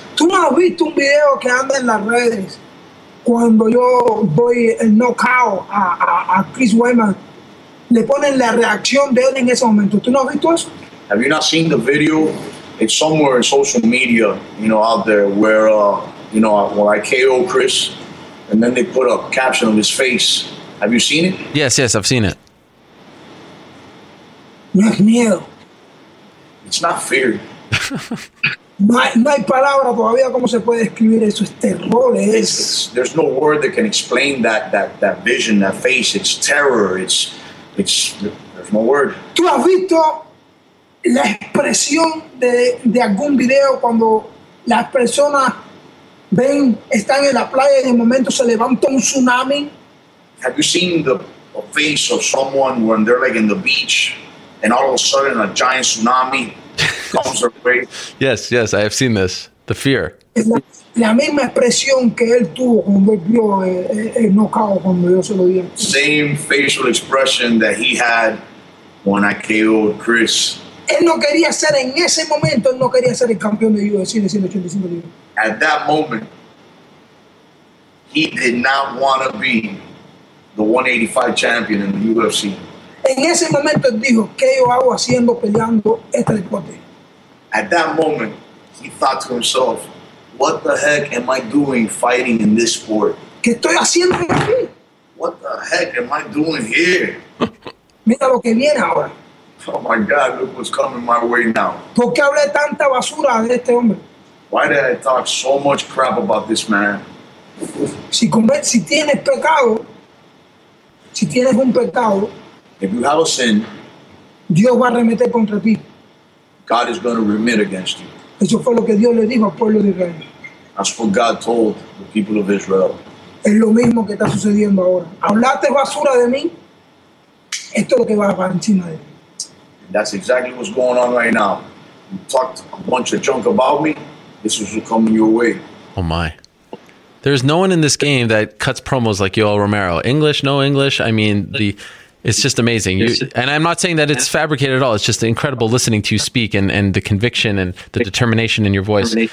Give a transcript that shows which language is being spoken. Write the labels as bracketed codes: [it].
[es] ¿Tú no has visto un video que anda en las redes cuando yo voy el knockout a Chris Weidman? Le ponen la reacción de él en ese momento. ¿Tú no has visto eso? [en] Have you not seen the video? It's somewhere in social media, you know, out there where, you know, when I KO Chris and then they put a caption on his face. Have you seen it? Yes, yes, I've seen it. [es] No es miedo. [en] It's not fear. [es] No hay palabra todavía como se puede escribir eso. Es terror. [en] There's no word that can explain that vision, that face. It's terror. It's there's no word. [es] ¿Tú has visto la expresión de algún video cuando las personas ven, están en la playa y de momento se levanta un tsunami? [en] Have you seen the face of someone when they're like in the beach and all of a sudden a giant tsunami comes their way? Yes, yes, I have seen this. The fear. [es] La misma expresión que él tuvo cuando vio el knockout cuando yo se lo di. [en] Same facial expression that he had when I KO'd Chris. [es] Él no quería ser en ese momento, él no quería ser el campeón de UFC de 185 libras. [en] At that moment, he did not want to be the 185 champion in the UFC. [es] En ese momento dijo, ¿qué yo hago haciendo peleando este deporte? [en] At that moment, he thought to himself, what the heck am I doing fighting in this sport? [es] ¿Qué estoy haciendo aquí? [en] What the heck am I doing here? [es] Mira lo que viene ahora. [en] Oh my God, look what's coming my way now. [es] ¿Por qué hablé tanta basura de este hombre? [en] Why did I talk so much crap about this man? [es] Si cometes, si tienes pecado, si tienes un pecado, [en] if you have a sin, [es] Dios va a remeter contra ti. [en] God is going to remit against you. [es] Eso fue lo que Dios le dijo al pueblo de Israel. [en] That's what God told the people of Israel. [es] Es lo mismo que está sucediendo ahora. Hablaste basura de mí, esto es lo que va para encima de ti. [en] That's exactly what's going on right now. You talked a bunch of junk about me, this is coming your way. Oh my. There's no one in this game that cuts promos like Yoel Romero. English, no English. I mean, it's just amazing. And I'm not saying that it's fabricated at all. It's just incredible listening to you speak and the conviction and the determination in your voice.